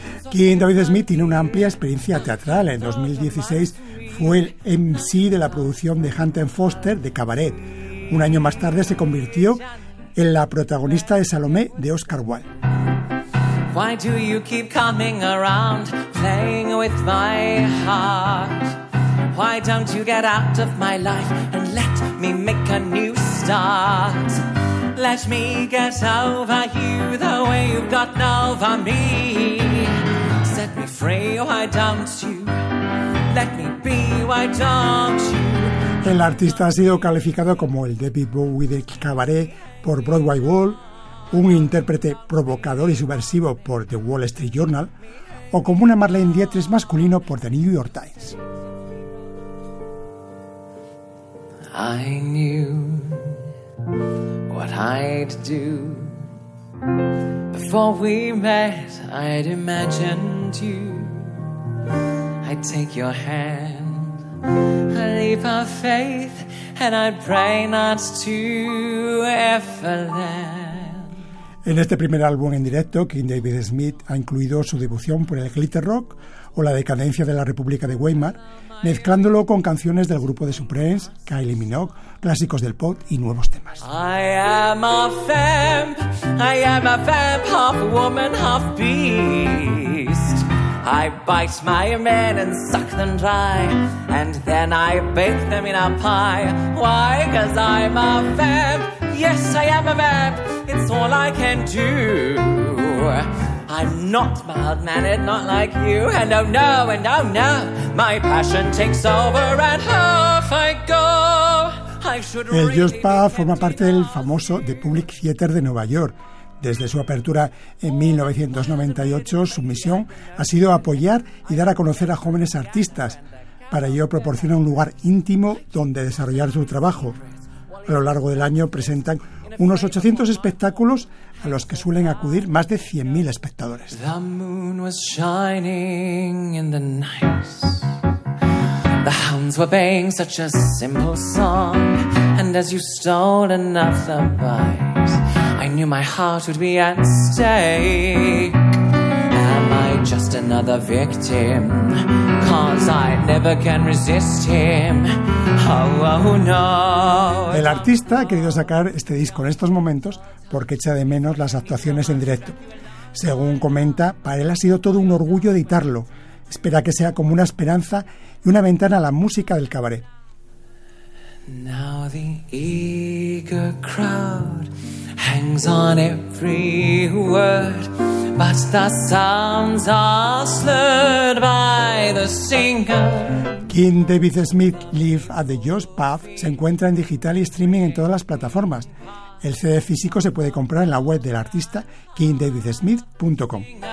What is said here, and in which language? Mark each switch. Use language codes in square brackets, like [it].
[es] King David Smith tiene una amplia experiencia teatral. En 2016 fue el MC de la producción de Hunt and Foster de Cabaret. Un año más tarde se convirtió en la protagonista de Salomé de Oscar Wilde. [en] Why do you keep coming around playing with my heart? Why don't you get out of my life and let me make a new start? Let me get over you the way you've gotten over me. Set me free, why don't you? Let me be, why don't you? [es] El artista ha sido calificado como el David Bowie del Cabaret por Broadway Wall, un intérprete provocador y subversivo por The Wall Street Journal, o como una Marlene Dietrich masculino por The New York Times. [en] I knew what I'd do. Before we met, I'd imagined you. I'd take your hand, a leap of faith, and I'd pray not to ever land. [es] En este primer álbum en directo, King David Smith ha incluido su devoción por el glitter rock o la decadencia de la República de Weimar, mezclándolo con canciones del grupo de Supremes, Kylie Minogue, clásicos del pop y nuevos temas. [en] I am a femme, I am a femme, half woman, half beast. I bite my men and suck them dry, and then I bake them in a pie. Why? 'Cause I'm a femme, yes, I am a femme. It's all I can do. I'm not mild-mannered, not like you. And oh no, and oh no, my passion takes over and half I go. I should really. [es] El Joy's Pub forma parte del famoso The Public Theater de Nueva York. Desde su apertura en 1998, su misión ha sido apoyar y dar a conocer a jóvenes artistas. Para ello proporciona un lugar íntimo donde desarrollar su trabajo. A lo largo del año presentan unos 800 espectáculos a los que suelen acudir más de 100.000 espectadores. [en] The moon was shining in the night. The hounds were baying such a simple song. And as you stole another bite, I knew my heart would be at stake. Am I just another victim? 'Cause I never can resist him. Oh, oh, no. [es] El artista ha querido sacar este disco en estos momentos porque echa de menos las actuaciones en directo. Según comenta, para él ha sido todo un orgullo editarlo. Espera que sea como una esperanza y una ventana a la música del cabaret. [en] Now the eager crowd hangs on every word, but the sounds are slurred by the singer. [es] King David Smith Live at the Joy's Pub se encuentra en digital y streaming en todas las plataformas. El CD físico se puede comprar en la web del artista kingdavidsmith.com.